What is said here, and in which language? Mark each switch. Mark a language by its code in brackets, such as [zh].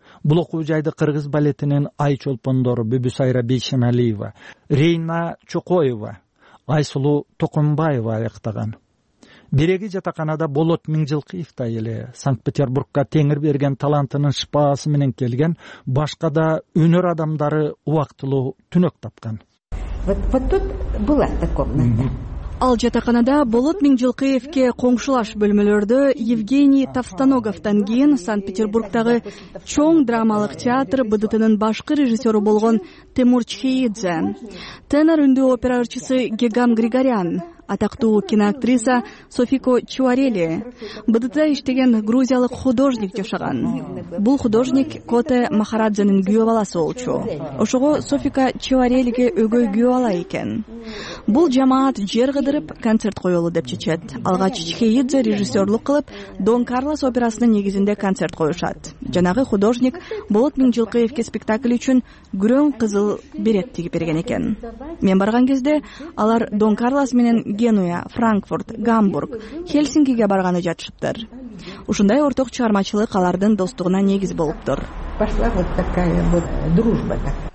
[ky] Бул окуу жайды кыргыз балетинин ай чолпондору Бүбүсайра Бейшемалиева, Рейна Чокоева, Айсулу Токонбаева аяктаган. Береги жатаканада Болот Миңжылкыевтай эле Санкт-Петербургка теңир берген талантынын шыпаасы менен келген, башка да өнөр адамдары убактылуу түнөк тапкан. [ru] Вот тут была эта комната. [ky] Ал жатаканада Болот Миңжылкыевке коңшулаш бөлмөлөрдө Евгений Тавтоноговтон кийин Санкт-Петербургдагы чоң драмалык театр БДТ-нын башкы режиссёру болгон Тимур Чхеидзе, тенор үндүү опера ырчысы Гегам Григориан, атактуу киноактриса Софико Чуарели, БДТ-да иштеген грузиялык художник жашаган. Бул художник Коте Махарадзенин күйөө баласы болчу. Ошого Софико Чуарелиге өгөй күйөө ала экен. Бул жамаат жер кыдырып концерт коёлу деп чечет. Алгач Чхеидзе режиссёрлук кылып Дон Карлос операсынын негизинде концерт коюшат. Жанагы художник Болот Миңжылкыевке спектакль үчүн күрөң кызыл берет тигип берген экен. Мен барган кезде алар Дон Карлос менен Генуя, Франкфурт, Гамбург, Хельсингиге барганы жатышыптыр. Ушундай орток чыгармачылык алардын достугуна негиз болуптур. [ru] Пошла вот такая вот дружба так.